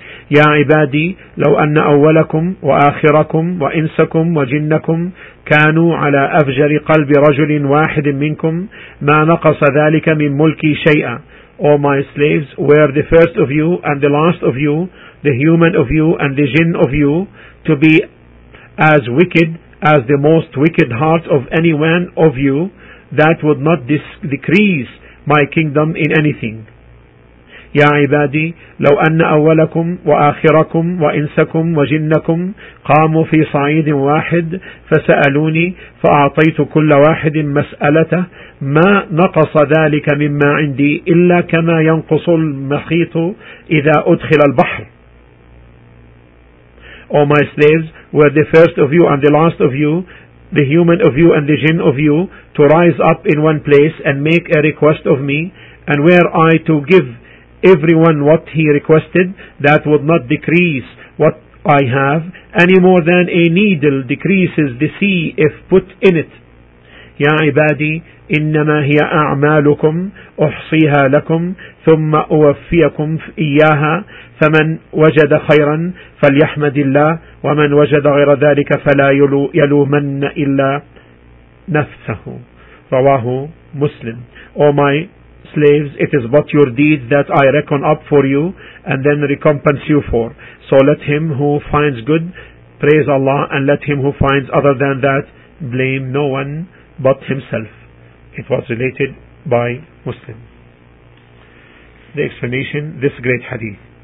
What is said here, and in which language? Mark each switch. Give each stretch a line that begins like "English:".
Arabic: يا عبادي لو أن أولكم وآخركم وإنسكم وجنكم كانوا على أفجر قلب رجل واحد منكم ما نقص ذلك من ملكي شيئا.
English: O my slaves, were the first of you and the last of you, the human of you and the jinn of you, to be as wicked as the most wicked heart of any one of you, that would not decrease my kingdom in anything.
Arabic: يا عبادي لو أن أولكم وآخركم وإنسكم وجنكم قاموا في صعيد واحد فسألوني فأعطيت كل واحد مسألته ما نقص ذلك مما عندي إلا كما ينقص المحيط إذا أدخل البحر.
English: O my slaves, were the first of you and the last of you, the human of you and the jinn of you, to rise up in one place and make a request of me, and were I to give everyone what he requested, that would not decrease what I have, any more than a needle decreases the sea if put in it.
Arabic: يا عبادي إنما هي أعمالكم أحصيها لكم ثم أوفيكم إياها فمن وجد خيرا فليحمد الله ومن وجد غير ذلك فلا يلومن إلا نفسه. رواه مسلم.
English: O my slaves, it is but your deeds that I reckon up for you and then recompense you for. So let him who finds good praise Allah, and let him who finds other than that blame no one but himself. It was related by Muslim. The explanation, this great hadith.